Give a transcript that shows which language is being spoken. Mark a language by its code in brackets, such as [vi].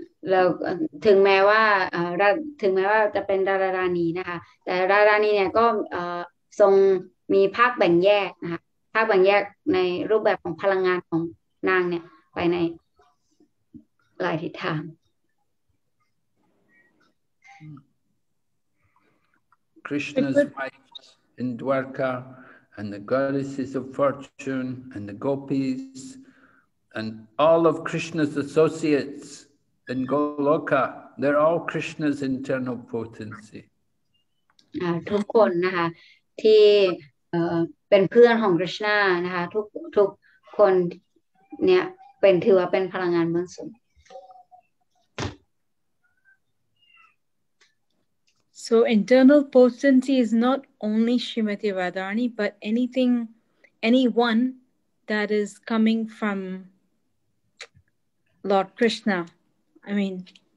[th] แล้วถึงแม้ว่าถึงแม้ว่าจะเป็นราดานีนะคะแต่ราดานีเนี่ยก็ทรงมีภาคแบ่งแยกนะคะภาคแบ่งแยกในรูปแบบของพลังงานของนางเนี่ยไปในหลายทิศทาง [en] Krishna's wife in Dwarka. And the goddesses of fortune, and the gopis, and all of Krishna's associates in Goloka, they're all Krishna's internal potency. [th] ทุกคนนะคะที่เป็นเพื่อนของ Krishna นะคะทุกคนเนี่ยเป็นถือว่าเป็นพลังงานเบื้องสูง [en] So internal potency is not only Srimati Radharani, but anything, anyone that is coming from Lord Krishna. I mean.